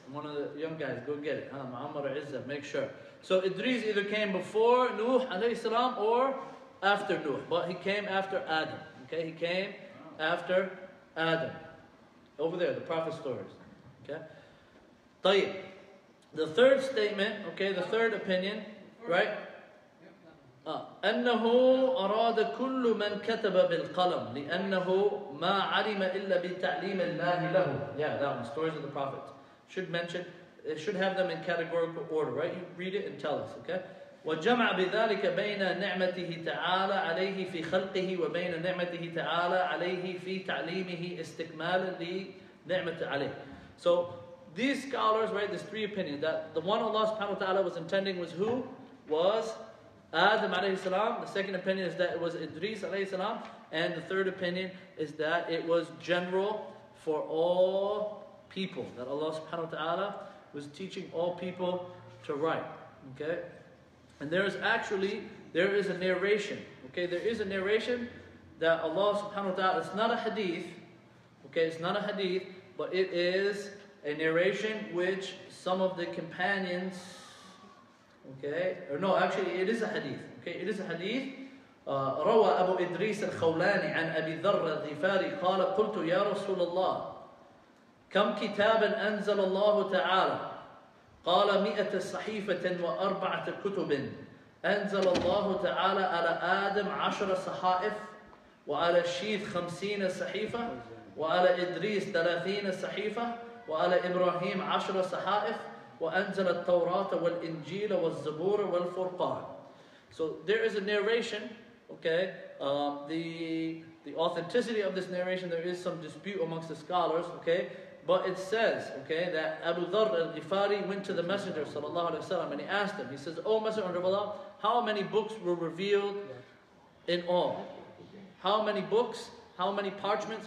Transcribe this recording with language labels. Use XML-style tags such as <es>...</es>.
<en>One of the young guys, go get it. Muhammad Izzah, make sure. So Idris either came before Nuh alayhi salam or after Nuh. But he came after Adam. Okay, he came after Adam. Over there, the prophet stories. Okay. Tayyib. The third statement, okay, the third opinion, right?</en> <ar>أنه أراد كل من كتب بالقلم لأنه ما علم إلا بتعليم الله له.</ar> <en>Yeah, that one. Stories of the Prophets. Should mention, it should have them in categorical order, right? You read it and tell us, okay?</en> <ar>وجمع بذلك بين نعمته تعالى عليه في خلقه وبين نعمته تعالى عليه في تعليمه استكمالا لنعمة عليه.</ar> <en>So these scholars, right? There's three opinions that the one Allah subhanahu wa ta'ala was intending was who? Was Adam alayhi salam. The second opinion is that it was Idris alayhi salam. And the third opinion is that it was general for all people. That Allah subhanahu wa ta'ala was teaching all people to write. Okay? And there is a narration. Okay, there is a narration that Allah subhanahu wa ta'ala, it's not a hadith. Okay, it's not a hadith, but it is a narration which some of the companions. Okay, or no, actually it is a hadith. Okay, it is a hadith.</en> <ar>روى أبو إدريس الخولاني عن أبي ذر الغفاري قال قلت يا رسول الله كم كتابا أنزل الله تعالى قال 100 صحيفة وأربعة كتب أنزل الله تعالى على آدم 10 صحائف وعلى الشيد 50 صحيفة وعلى إدريس 30 صحيفة وعلى إبراهيم 10 صحائف وأنزل التوراة والإنجيل والزبور والفرقان.</ar> <en>So there is a narration, okay? The authenticity of this narration, there is some dispute amongst the scholars, okay? But it says, okay, that Abu Dharr al-Ghifari went to the Messenger sallallahu alaihi wasallam and he asked him. He says, "Oh Messenger of Allah, how many books were revealed in all? How many books? How many parchments?</en>